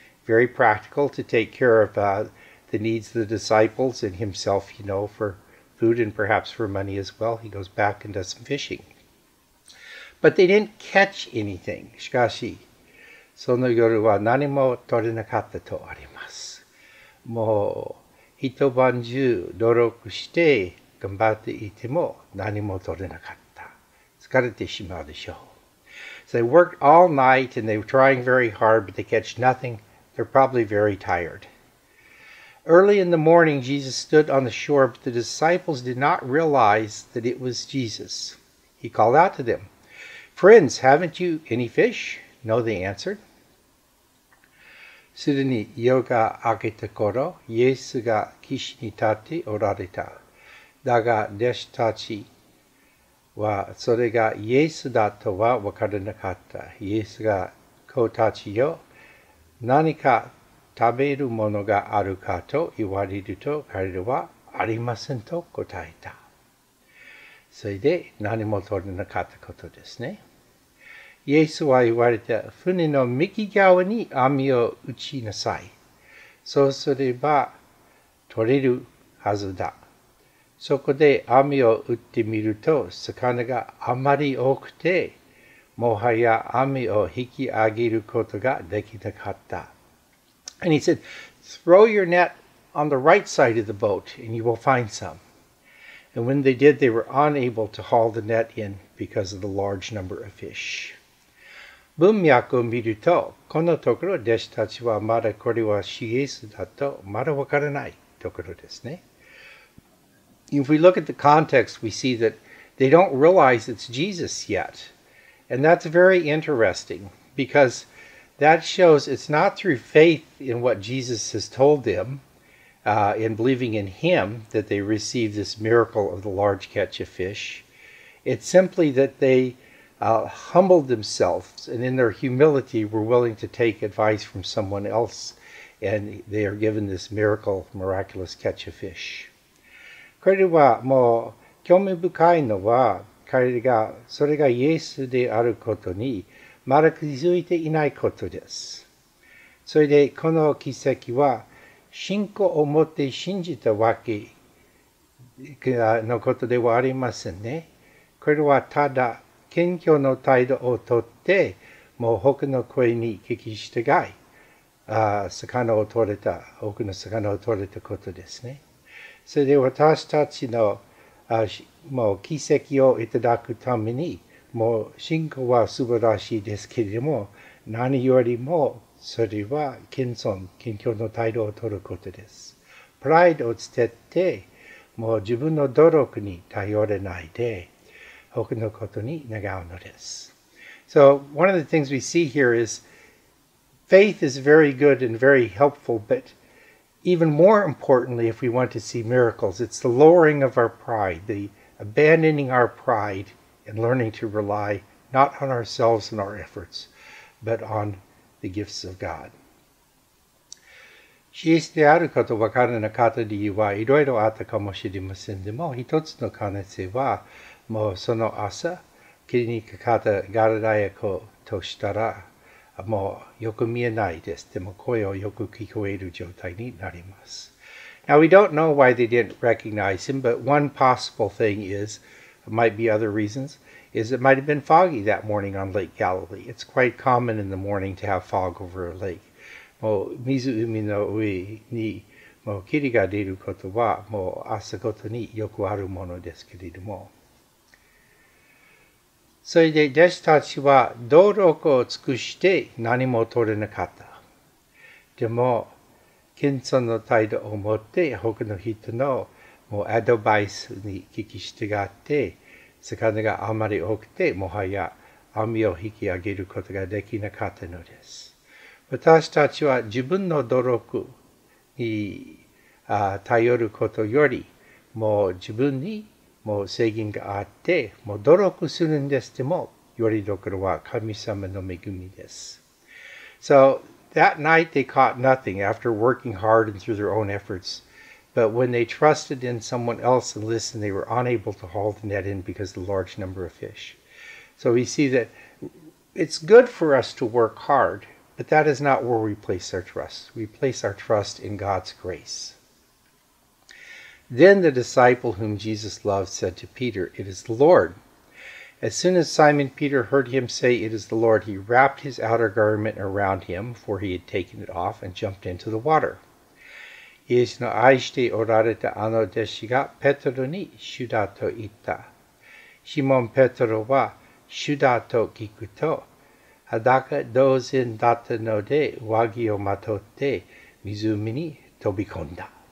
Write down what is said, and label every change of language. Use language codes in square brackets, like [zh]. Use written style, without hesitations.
[en] Very practical to take care of the needs of the disciples and himself, you know, for food and perhaps for money as well. He goes back and does some fishing. But they didn't catch anything. [ja] しかし、その夜は何も取れなかったとあります。もう一晩中努力して頑張っていても何も取れなかった。疲れてしまうでしょう。 [en] So they worked all night and they were trying very hard, but they catch nothing. They're probably very tired. Early in the morning, Jesus stood on the shore, but the disciples did not realize that it was Jesus. He called out to them, Friends, haven't you any fish? No, they answered. [ja] すでに夜が明けた頃、イエスが岸に立っておられた。だが、弟子たちはそれがイエスだとは分からなかった。イエスが子たちよ、何か食べるものがあるかと言われると、彼らはありませんと答えた。それで何も取れなかったことですね。イエスは言われた、船の右側に網を打ちなさい。そうすれば取れるはずだ。そこで網を打ってみると、魚があまり多くて、もはや網を引き上げることができなかった。 [en] And he said, throw your net on the right side of the boat and you will find some. And when they did, they were unable to haul the net in because of the large number of fish. [ja] 文脈を見ると、このところ弟子たちはまだこれは主イエスだとまだわからないところですね。 [en] If we look at the context, we see that they don't realize it's Jesus yet. And that's very interesting because that shows it's not through faith in what Jesus has told them, in believing in him, that they receive this miracle of the large catch of fish. It's simply that theyhumbled themselves and in their humility were willing to take advice from someone else and they are given this miracle, miraculous catch of fish. [ja] これはもう興味深いのは彼がそれがイエスであることにまだ気づいていないことです。それでこの奇跡は信仰を持って信じたわけのことではありませんね。これはただ謙虚の態度をとって、もう他の声に聞き従い、多くの魚を取れたことですね。それで私たちの、もう奇跡をいただくために、もう信仰は素晴らしいですけれども、何よりもそれは謙遜、謙虚の態度をとることです。プライドを捨てて、もう自分の努力に頼れないで、他のことに願うのです。 [en] So one of the things we see here is faith is very good and very helpful, but even more importantly, if we want to see miracles, it's the lowering of our pride, the abandoning our pride and learning to rely not on ourselves and our efforts, but on the gifts of God. [ja] シエスであることわからなかった理由はいろいろあったかもしれませんでも、一つの可能性は、もうその朝、キリにかかったガラダヤ子としたら、もうよく見えないです。でも声をよく聞こえる状態になります。 [en] Now we don't know why they didn't recognize him, but one possible thing is, might be other reasons, is it might have been foggy that morning on Lake Galilee. It's quite common in the morning to have fog over a lake. [ja] もう水海の上にもう霧が出ることはもう朝ごとによくあるものですけれども、それで弟子たちは努力を尽くして何も取れなかった。でも謙遜の態度を持って他の人のもうアドバイスに聞き従って、魚があまり多くてもはや網を引き上げることができなかったのです。私たちは自分の努力に頼ることより、もう自分にもう制限があって、もう努力するんですでも、よりどころは神様の恵みです。 [en] So that night they caught nothing after working hard and through their own efforts, but when they trusted in someone else and listened, they were unable to haul the net in because of the large number of fish. So we see that it's good for us to work hardBut that is not where we place our trust. We place our trust in God's grace. Then the disciple whom Jesus loved said to Peter, "It is the Lord." As soon as Simon Peter heard him say, "It is the Lord," he wrapped his outer garment around him, for he had taken it off, and jumped into the water. [ja] イエスの愛しておられたあの弟子がペトロに主だと言った。シモン・ペトロは主だと聞くと、裸同然だったので上着をまとって湖に飛び込んだ。